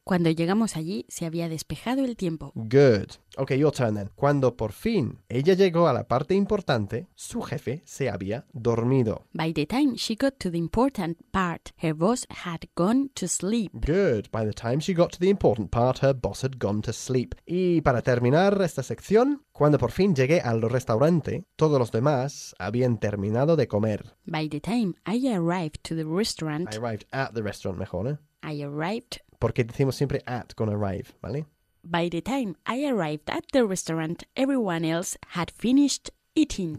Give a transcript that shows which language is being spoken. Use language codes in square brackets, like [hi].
[es] Cuando llegamos allí, se había despejado el tiempo. [en] Good. Ok, your turn then. [es] Cuando por fin ella llegó a la parte importante, su jefe se había dormido. [en] By the time she got to the important part, her boss had gone to sleep. Good. By the time she got to the important part, her boss had gone to sleep. [es] Y para terminar esta sección, cuando por fin llegué al restaurante, todos los demás habían terminado de comer. [en] By the time I arrived to the restaurant... I arrived at the restaurant, [es] mejor, ¿eh? [en] I arrived... [es] Porque decimos siempre at con arrive, ¿vale? [en] By the time I arrived at the restaurant, everyone else had finished eating.